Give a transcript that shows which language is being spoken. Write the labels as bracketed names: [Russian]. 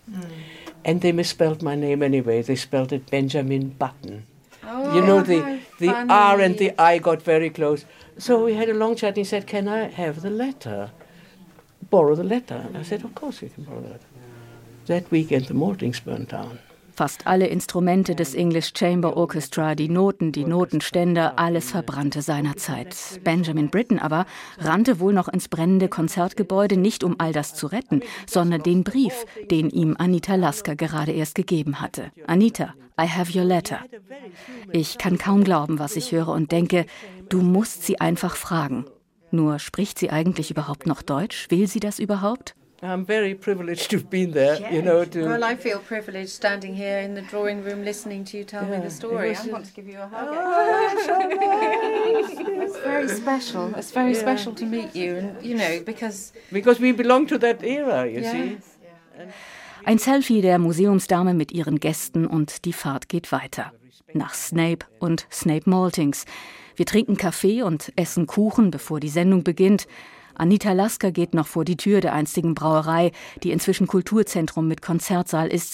[English] Mm. And they misspelled my name anyway. They spelled it Benjamin Button. Oh, you know, how funny. The R and the I got very close. So we had a long chat and he said, can I have the letter? Borrow the letter. And I said, of course you can borrow the letter. That weekend the Maltings burned down. [German] Fast alle Instrumente des English Chamber Orchestra, die Notenständer, alles verbrannte seinerzeit. Benjamin Britten aber rannte wohl noch ins brennende Konzertgebäude, nicht um all das zu retten, sondern den Brief, den ihm Anita Lasker gerade erst gegeben hatte. [English] Anita, I have your letter. [German] Ich kann kaum glauben, was ich höre und denke, du musst sie einfach fragen. Nur spricht sie eigentlich überhaupt noch Deutsch? Will sie das überhaupt? [English] I'm very privileged to have been there, yeah. You know. Well, I feel privileged standing here in the drawing room listening to you tell me the story. I want to give you a hug. It's very special. It's very special to meet you, and, you know, because we belong to that era, you see. [German] Ein Selfie der Museumsdame mit ihren Gästen und die Fahrt geht weiter. Nach Snape und Snape Maltings. Wir trinken Kaffee und essen Kuchen, bevor die Sendung beginnt. Anita Lasker geht noch vor die Tür der einstigen Brauerei, die inzwischen Kulturzentrum mit Konzertsaal ist.